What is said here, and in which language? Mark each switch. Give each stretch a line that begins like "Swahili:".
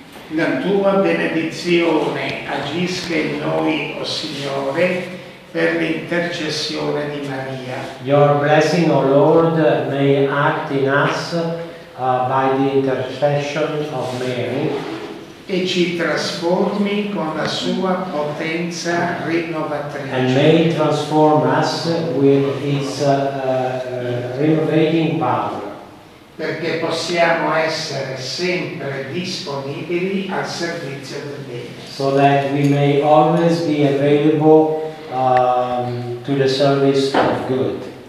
Italian: La tua benedizione agisca in noi, o Signore, per l'intercessione di Maria.
English: Your blessing, O Lord, may act in us by the intercession of Mary.
Italian: E ci trasformi con la sua potenza rinnovatrice.
English: And may transform us with his renovating power.
Italian: Perché possiamo essere sempre disponibili al servizio del bene.
English: So that we may always be available to the service of good.